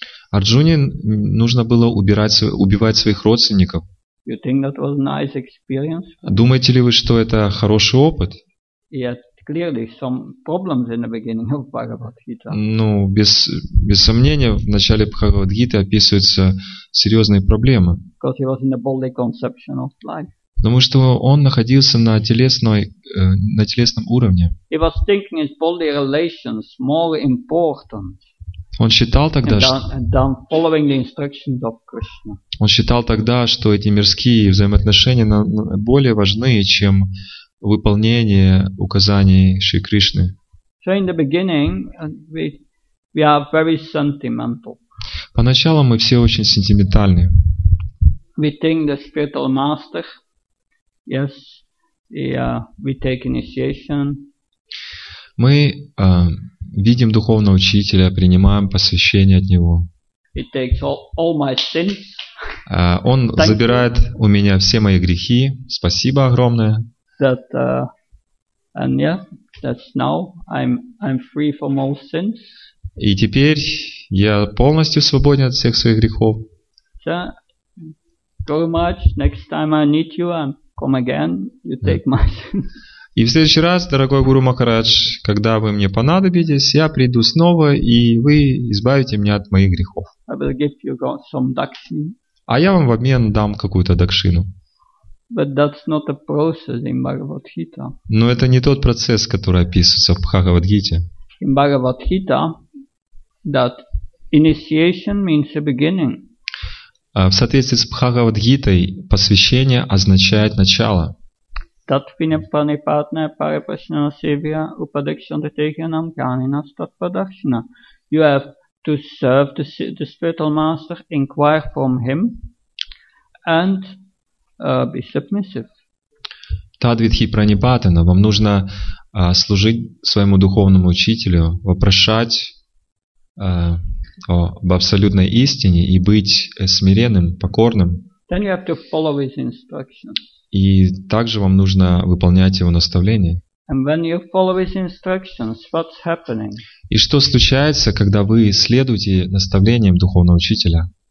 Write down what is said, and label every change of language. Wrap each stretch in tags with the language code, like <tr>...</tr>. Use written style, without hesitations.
<ru>Арджуне нужно было убивать своих родственников.</ru> <en>You think that was nice experience?</en> <ru>Думаете ли вы, что это хороший опыт? Без сомнения, в начале Бхагавад-гиты описываются серьезные проблемы.</ru> <en>Because he was in the bodily conception of life.</en> <ru>Потому что он находился на телесном уровне.</ru> <en>He was thinking his bodily relations more important.</en> <ru>Он считал тогда, что эти мирские взаимоотношения более важны, чем выполнение указаний Шри Кришны.</ru> <en>So in the beginning we are very sentimental.</en> <ru>Поначалу мы все очень сентиментальны.</ru> <en>We think the spiritual master, yes, we take initiation.</en> <ru>Мы видим духовного учителя, принимаем посвящение от него.</ru> <en>He takes all my sins.</en> <ru>Он</ru> <en>Thank</en> <ru>забирает</ru> <en>you.</en> <ru>У меня все мои грехи. Спасибо огромное.</ru> <en>That, and yeah, that's now I'm free from all sins.</en> <ru>И теперь я полностью свободен от всех своих грехов.</ru> <en>So, Guru Maharaj, next time I need you, I'm come again. You take my sins.</en> <ru>И в следующий раз, дорогой Гуру Махарадж, когда вы мне понадобитесь, я приду снова, и вы избавите меня от моих грехов.</ru> <en>I will give you some dakshin.</en> <ru>А я вам в обмен дам какую-то дакшину.</ru> <en>But that's not a process in Bhagavad Gita.</en> <ru>Но это не тот процесс, который описывается в Бхагавад Гите.</ru> <en>In Bhagavad Gita, that initiation means a beginning.</en> <ru>В соответствии с Бхагавад Гитой, посвящение означает начало.</ru> <en>You have to serve the spiritual master, inquire from him, and be submissive.</en> <ru>Тадвитхи пранипатана, вам нужно служить своему духовному учителю, вопрошать об абсолютной истине и быть смиренным, покорным.</ru> <en>Then you have to follow his instructions.</en> <ru>И также вам нужно выполнять его наставления.</ru> <en>And when you follow his instructions, what's happening?</en> <ru>И что случается, когда вы следуете наставлениям духовного учителя?</ru>